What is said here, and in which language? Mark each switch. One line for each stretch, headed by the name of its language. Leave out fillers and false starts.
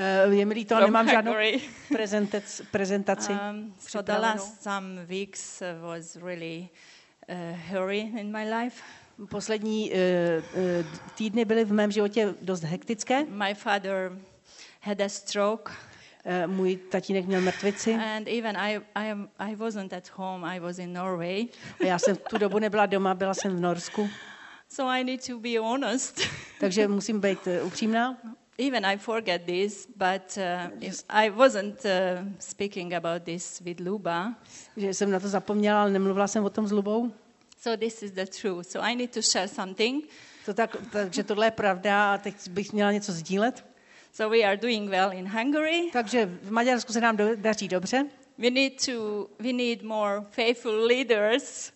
Czech: Je mi líto, nemám žádnou prezentaci.
English: So the last some weeks was really hurry in my life.
Czech: Poslední týdny byly v mém životě dost hektické.
English: My father had a stroke.
Czech: Můj tatínek měl mrtvici.
English: And even I wasn't at home. I was in Norway.
Czech: A já jsem tu dobu nebyla doma, byla jsem v Norsku.
English: So I need to be honest.
Czech: Takže musím být upřímná.
English: Even I forget this, but I wasn't speaking about this with Luba.
Czech: Že jsem na to zapomněla, ale nemluvila jsem o tom s Lubou.
English: So this is the truth. So I need to share something.
Czech: To tak, takže tohle je pravda a teď bych měla něco sdílet.
English: So we are doing well in Hungary.
Czech: Takže v Maďarsku se nám daří dobře.
English: We need more faithful leaders.